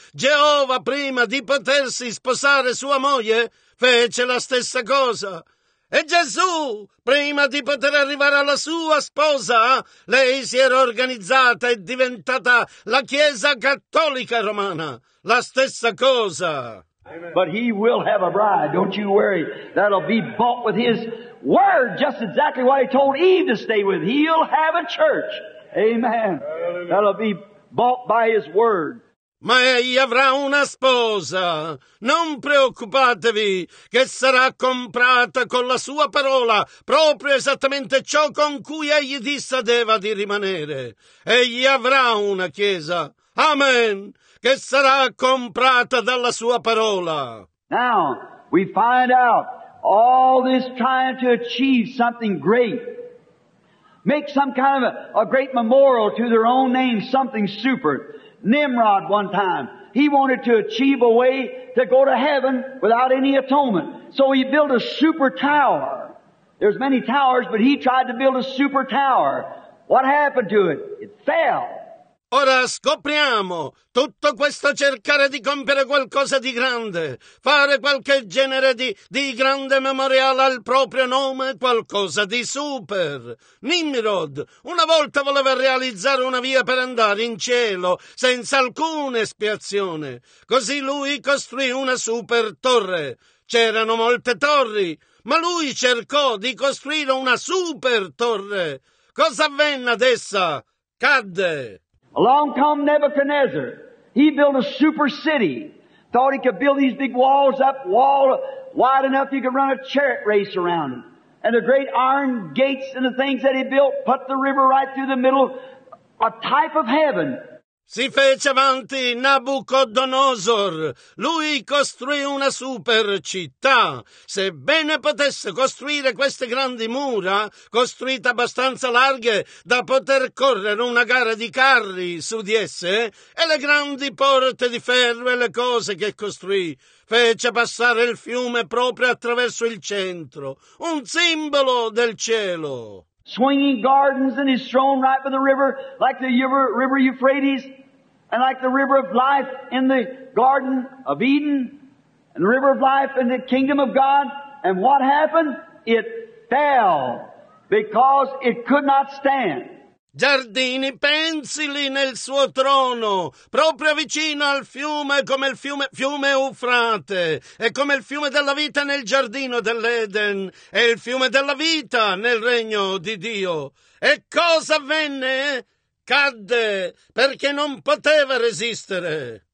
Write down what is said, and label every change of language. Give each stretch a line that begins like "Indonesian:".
Italian: Geova, prima di potersi sposare sua moglie, fece la stessa cosa. E Gesù, prima di poter arrivare alla sua sposa, lei si era organizzata e diventata la Chiesa Cattolica Romana. La stessa cosa.
English: But he will have a bride, don't you worry. That'll be bought with his word, just exactly what he told Eve to stay with. He'll have a church. Amen. That'll be bought by his word.
Italian: Ma egli avrà una sposa. Non preoccupatevi, che sarà comprata con la sua parola, proprio esattamente ciò con cui egli disse ad Eva di rimanere. Egli avrà una chiesa. Amen. Che sarà comprata dalla sua parola.
English: Now, we find out all this trying to achieve something great. Make some kind of a great memorial to their own name, something super. Nimrod one time, he wanted to achieve a way to go to heaven without any atonement. So he built a super tower. There's many towers, but he tried to build a super tower. What happened to it? It fell.
Italian: Ora scopriamo tutto questo cercare di compiere qualcosa di grande, fare qualche genere di grande memoriale al proprio nome, qualcosa di super. Nimrod una volta voleva realizzare una via per andare in cielo senza alcuna espiazione. Così lui costruì una super torre. C'erano molte torri, ma lui cercò di costruire una super torre. Cosa avvenne ad essa? Cadde.
English: Along come Nebuchadnezzar. He built a super city. Thought he could build these big walls up, wall wide enough you could run a chariot race around them. And the great iron gates and the things that he built put the river right through the middle. A type of heaven.
Italian: Si fece avanti Nabucodonosor. Lui costruì una super città. Sebbene potesse costruire queste grandi mura, costruite abbastanza larghe da poter correre una gara di carri su di esse, e le grandi porte di ferro e le cose che costruì, fece passare il fiume proprio attraverso il centro, un simbolo del cielo.
English: Swinging gardens in his throne right by the river, like the river Euphrates, and like the river of life in the Garden of Eden, and the river of life in the kingdom of God. And what happened? It fell, because it could not stand.
Italian: Giardini pensili nel suo trono, proprio vicino al fiume, come il fiume Eufrate, e come il fiume della vita nel giardino dell'Eden, e il fiume della vita nel regno di Dio. E cosa avvenne? Cadde, perché non poteva resistere.